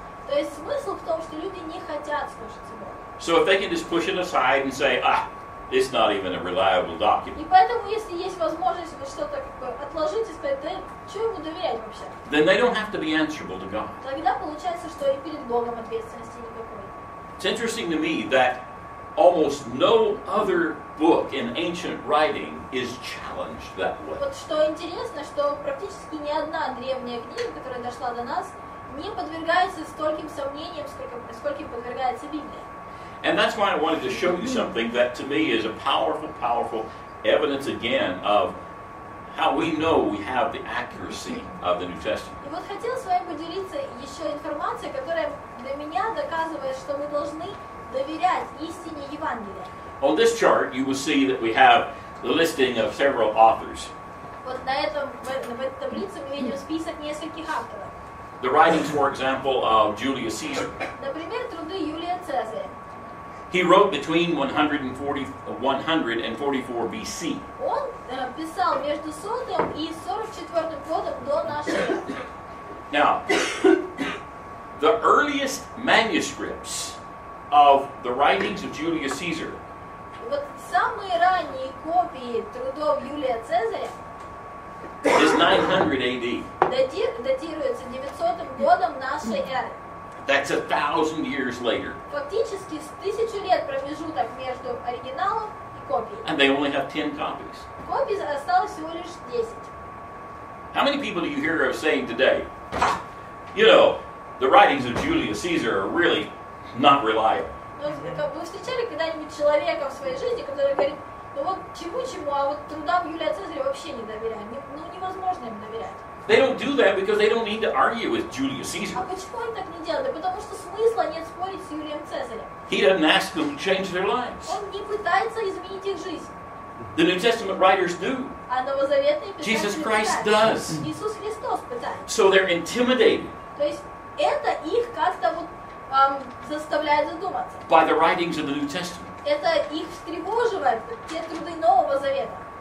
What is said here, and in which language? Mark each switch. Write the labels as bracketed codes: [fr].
[ru] То есть смысл в том, что люди не хотят слушаться Бога. [en] So if they can just push it aside and say, ah, it's not even a reliable document. [ru] И поэтому, если есть возможность что-то как бы отложить и сказать, да, что ему доверять вообще? [en] Then they don't have to be answerable to God. [ru] Тогда получается, что и перед Богом ответственности никакой. [en] It's interesting to me that almost no other book in ancient writing is challenged that way. [ru] Вот что интересно, что практически ни одна древняя книга, которая дошла до нас, не подвергается стольким сомнениям, сколько подвергается Библия. [en] And that's why I wanted to show you something that to me is a powerful, powerful evidence again of how we know we have the accuracy of the New Testament. [ru] И вот хотел с вами поделиться еще информацией, которая для меня доказывает, что мы должны доверять истине Евангелия. [en] On this chart, you will see that we have the listing of several authors. [ru] Вот на этом в этой таблице мы видим список нескольких авторов. [en] The writings, for example, of Julius Caesar. [ru] Например, труды Юлия Цезаря. [en] He wrote between 100 and 144 BC. [ru] Он писал между 100 и 44 годом до нашей эры. [en] Now, the earliest manuscripts of the writings of Julius Caesar. [ru] Вот самые ранние копии трудов Юлия Цезаря. [en] Is 900 AD. [ru] Датируется 900 годом нашей эры. [en] That's 1,000 years later. [ru] Фактически с 1000 лет промежуток между оригиналом и копией. [en] And they only have 10 copies. [ru] Копий осталось всего лишь 10. [en] How many people do you hear of saying today, you know, the writings of Julius Caesar are really not reliable? [ru] Вы встречали когда-нибудь человека в своей жизни, который говорит, ну вот чему-чему, а вот трудам Юлия Цезаря вообще не доверяю, ну невозможно им доверять. [en] They don't do that because they don't need to argue with Julius Caesar. [ru] А почему они так не делают? Потому что смысла нет спорить с Юлием Цезарем. [en] He doesn't ask them to change their lives. [ru] Он не пытается изменить их жизнь. [en] The New Testament writers do. [ru] А новозаветные писатели. [en] Jesus Christ does. [ru] Иисус Христос пытается. [en] So they're intimidated. [ru] То есть это их как-то вот заставляет задуматься. [en] By the writings of the New Testament. [ru] Это их встревоживает те труды Нового Завета.